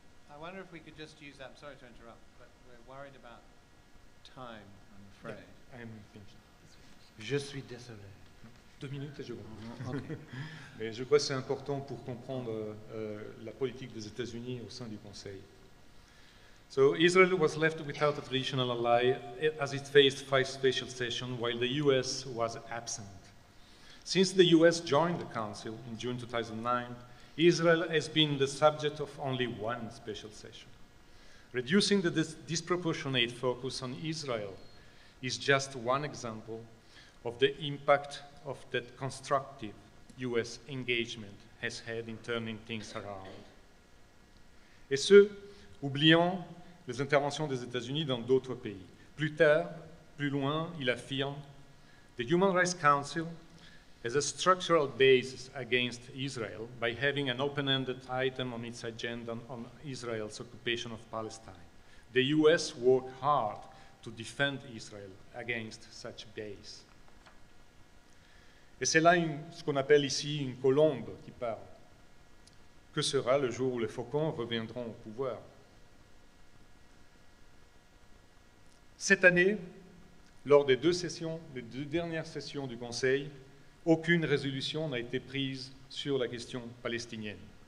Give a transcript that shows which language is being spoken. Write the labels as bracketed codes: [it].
[en] I wonder if we could just use that. I'm sorry to interrupt, but we're worried about time, I'm afraid. Yeah, I'm finished. [fr] Je suis désolé. Deux minutes et je vous. Mais je crois que c'est important pour comprendre la politique des États-Unis au sein du Conseil. [en] So Israel was left without a traditional ally as it faced five special sessions while the U.S. was absent. Since the U.S. joined the Council in June 2009, Israel has been the subject of only one special session. Reducing the disproportionate focus on Israel is just one example of the impact of that constructive U.S. engagement has had in turning things around. [fr] Et ce, oubliant les interventions des États-Unis dans d'autres pays. Plus tard, plus loin, il affirme, [en] the Human Rights Council has a structural basis against Israel by having an open-ended item on its agenda on Israel's occupation of Palestine. The U.S. worked hard to defend Israel against such base. [fr] Et c'est là ce qu'on appelle ici une colombe qui parle. Que sera le jour où les faucons reviendront au pouvoir? Cette année, lors des deux dernières sessions du Conseil, aucune résolution n'a été prise sur la question palestinienne.